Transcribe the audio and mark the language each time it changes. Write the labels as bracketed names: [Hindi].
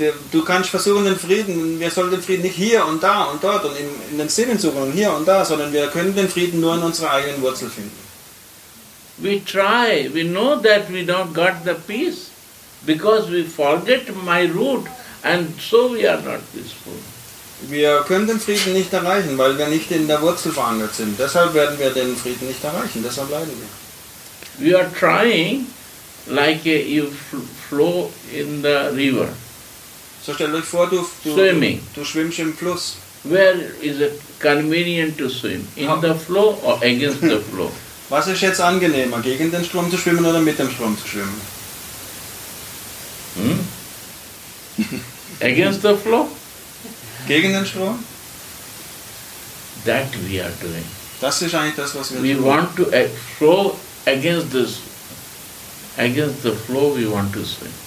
[German] Du kannst versuchen den Frieden, wir sollen den Frieden nicht hier und da und dort und in den Sinnen suchen und hier und da, sondern wir können den Frieden nur in unserer eigenen Wurzel finden. [English] We try, we know that we don't got the peace because we forget my root and so we are not peaceful. [German] Wir können den Frieden nicht erreichen, weil wir nicht in der Wurzel verankert sind. Deshalb werden wir den Frieden nicht erreichen, deshalb leiden wir. [English] We are trying like you flow in the river. [German] So stell euch vor, du schwimmst im Fluss. [English] Where is it convenient to swim? In the flow or against the flow? [German] Was ist jetzt angenehmer, gegen den Strom zu schwimmen oder mit dem Strom zu schwimmen? [English] Against the flow? [German] Gegen den Strom? That we are doing. Das ist eigentlich das, was wir tun. [English] We want to flow against this. Against the flow we want to swim.